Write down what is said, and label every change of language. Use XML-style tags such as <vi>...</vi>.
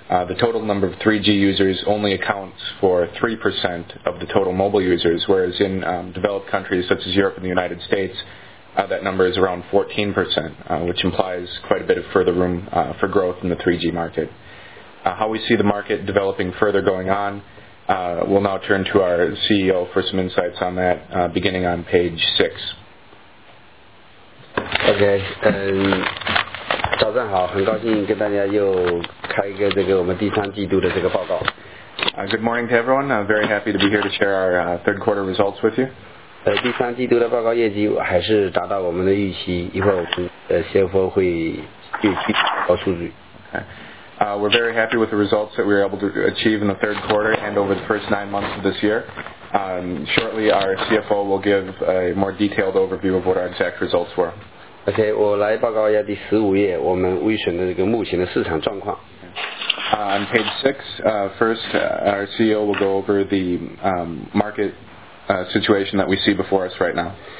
<en>The total number of 3G users only accounts for 3% of the total mobile users, whereas in developed countries such as Europe and the United States, that number is around 14%, which implies quite a bit of further room for growth in the 3G market. how we see the market developing further going on. We'll now turn to our CEO for some insights on that, beginning on page 6. Okay.</en> <zh>早上好, 很高兴跟大家又开一个这个我们第三季度的这个报告。</zh> <en>Good morning to everyone. I'm very happy to be here to share our third quarter results with you.</en> <zh>第三季度的报告业绩还是达到我们的预期, 一会儿我们CFO会具体报告数据。</zh> <en>We're very happy with the results that we were able to achieve in the third quarter and over the first 9 months of this year. Shortly, our CFO will give a more detailed overview of what our exact results were.</en> <zh>Okay, 我来报告一下第15页, 我们微选的这个目前的市场状况。</zh> <en>On page 6, first, our CEO will go over the market situation that we see before us right now.</en>